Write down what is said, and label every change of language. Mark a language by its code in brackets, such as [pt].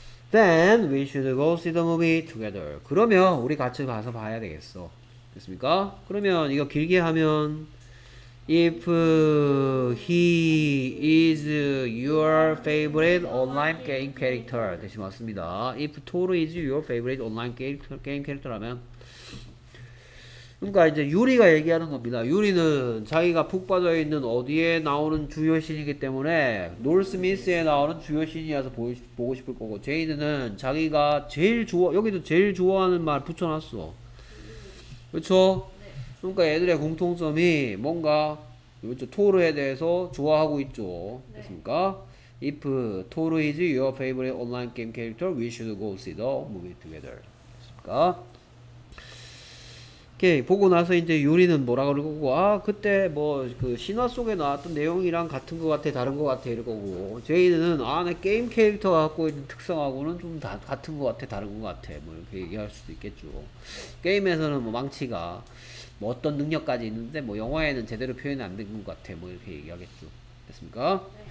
[en] Then we should go see the movie together. [ko] 그러면 우리 같이 가서 봐야 되겠어. 됐습니까? 그러면 이거 길게 하면 [en] If he is your favorite online game character [ko] 대신 맞습니다. [en] If Tor is your favorite online game character라면 [ko] 그러니까 이제 유리가 얘기하는 겁니다. 유리는 자기가 푹 빠져있는 어디에 나오는 주요신이기 때문에 노스미스에 나오는 주요신이어서 보고 싶을 거고 제이드는 자기가 제일 좋아 여기도 제일 좋아하는 말 붙여놨어. 그렇죠? 그러니까 얘들의 공통점이 뭔가 그렇죠? 토르에 대해서 좋아하고 있죠. 그렇습니까? [en] If Tor is your favorite online game character, we should go see the movie together. [ko] 그렇습니까? 보고 나서 이제 유리는 뭐라 그러고 아 그때 뭐 그 신화 속에 나왔던 내용이랑 같은 것 같아 다른 것 같아 이러고 제이드는 아 내 게임 캐릭터가 갖고 있는 특성하고는 좀 다 같은 것 같아 다른 것 같아 뭐 이렇게 얘기할 수도 있겠죠 게임에서는 뭐 망치가 뭐 어떤 능력까지 있는데 뭐 영화에는 제대로 표현이 안 된 것 같아 뭐 이렇게 얘기하겠죠 됐습니까?